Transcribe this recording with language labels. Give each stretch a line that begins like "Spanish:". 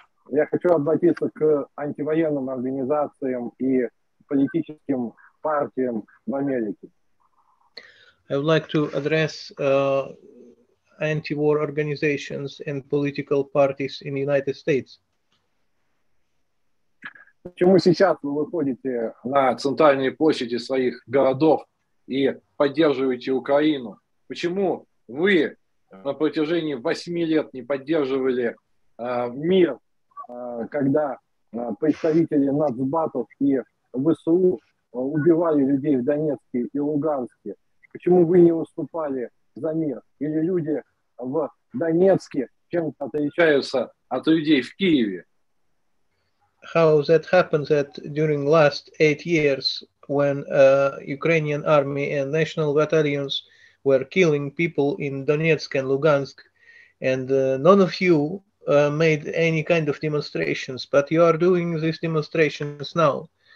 Russian: Я хочу обратиться к антивоенным организациям и политическим партиям в Америке.
English: I would like to address anti-war organizations and political parties in the United States.
Russian: Почему сейчас вы выходите на центральные площади своих городов и поддерживаете Украину? Почему вы на протяжении 8 лет не поддерживали мир, когда представители нацбатов и ВСУ убивали людей в Донецке и Луганске? Почему вы не уступали за мир? Или люди в Донецке чем-то отличаются от людей в Киеве?
English: How that happened that during last 8 years, when Ukrainian army and national battalions were killing people in Donetsk and Lugansk, and none of you made any kind of demonstrations, but you are doing these demonstrations now.